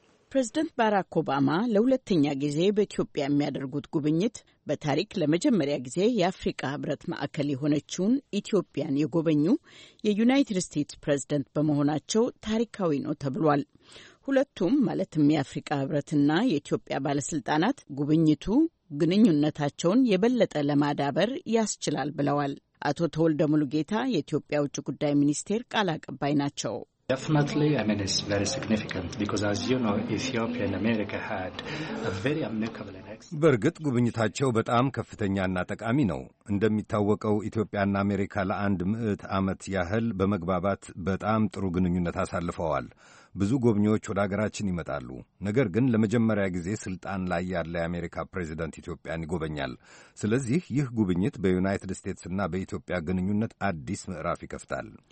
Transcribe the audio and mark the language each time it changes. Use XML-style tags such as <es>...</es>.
<am>ፕሬዝደንት ባራክ ኦባማ ለሁለተኛ ጊዜ በኢትዮጵያ የሚያደርጉት ጉብኝት በታሪክ ለመጀመሪያ ጊዜ የአፍሪካ ህብረት ማዕከል የሆነችውን ኢትዮጵያን የጎበኙ የዩናይትድ ስቴትስ ፕሬዝደንት በመሆናቸው ታሪካዊ ነው ተብሏል። ሁለቱም ማለትም የአፍሪካ ህብረትና የኢትዮጵያ ባለስልጣናት ጉብኝቱ ግንኙነታቸውን የበለጠ ለማዳበር ያስችላል ብለዋል። አቶ ተወልደ ሙሉጌታ የኢትዮጵያ ውጭ ጉዳይ ሚኒስቴር ቃል አቀባይ ናቸው።</am> <en>Definitely, I mean, it's very significant because, as you know, Ethiopia and America had a very amicable relationship.</en> <am>በርግጥ ጉብኝታቸው በጣም ከፍተኛና ጠቃሚ ነው። እንደሚታወቀው ኢትዮጵያና አሜሪካ ለአንድ ምዕት ዓመት ያህል በመግባባት በጣም ጥሩ ግንኙነት አሳልፈዋል። ብዙ ጎብኚዎች ወደ አገራችን ይመጣሉ። ነገር ግን ለመጀመሪያ ጊዜ ስልጣን ላይ ያለ የአሜሪካ ፕሬዚደንት ኢትዮጵያን ይጎበኛል። ስለዚህ ይህ ጉብኝት በዩናይትድ ስቴትስና በኢትዮጵያ ግንኙነት አዲስ ምዕራፍ ይከፍታል።</am>